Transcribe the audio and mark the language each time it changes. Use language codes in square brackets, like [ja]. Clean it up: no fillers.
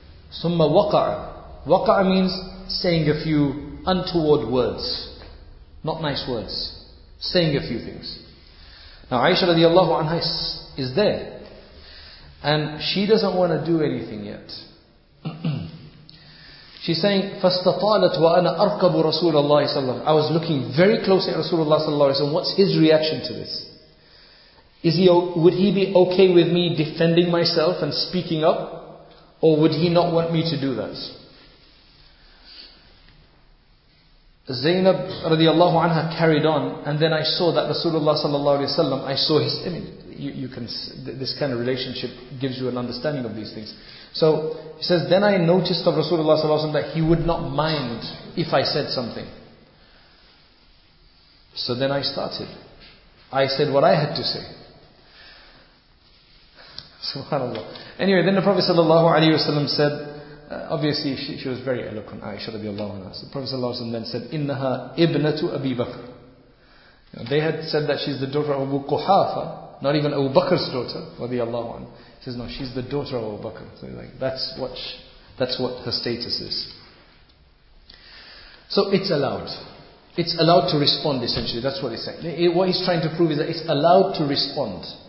[en] Summa waqa'a. Waqa'a means saying a few untoward words. Not nice words. Saying a few things. Now Aisha radiallahu anha is there, and she doesn't want to do anything yet. She's saying, [ar] فَاسْتَطَالَتْ وَأَنَا أَرْكَبُ رَسُولَ اللَّهِ صَلَّى اللَّهِ وَسَلَّمَ. [en] I was looking very closely at Rasulullah صلى الله عليه وسلم. What's his reaction to this? Would he be okay with me defending myself and speaking up? Or would he not want me to do that? Zainab radiallahu anha carried on, and then I saw that Rasulullah sallallahu alayhi wa sallam, I saw his, I mean, you can, this kind of relationship gives you an understanding of these things. So, he says, then I noticed of Rasulullah sallallahu alayhi wa sallam that he would not mind if I said something. So then I started. I said what I had to say. Subhanallah. Anyway, then the Prophet sallallahu alayhi wa sallam said, obviously, she was very eloquent, Aisha radiallahu anha. The Prophet ﷺ then said, [ar] إِنَّهَا إِبْنَةُ أَبِي بَكْرٍ. [en] Now, they had said that she's the daughter of Abu Quhafa, not even Abu Bakr's daughter, radiallahu anha. He says, no, she's the daughter of Abu Bakr. So like, that's what her status is. So it's allowed. It's allowed to respond, essentially. That's what he's saying. What he's trying to prove is that it's allowed to respond.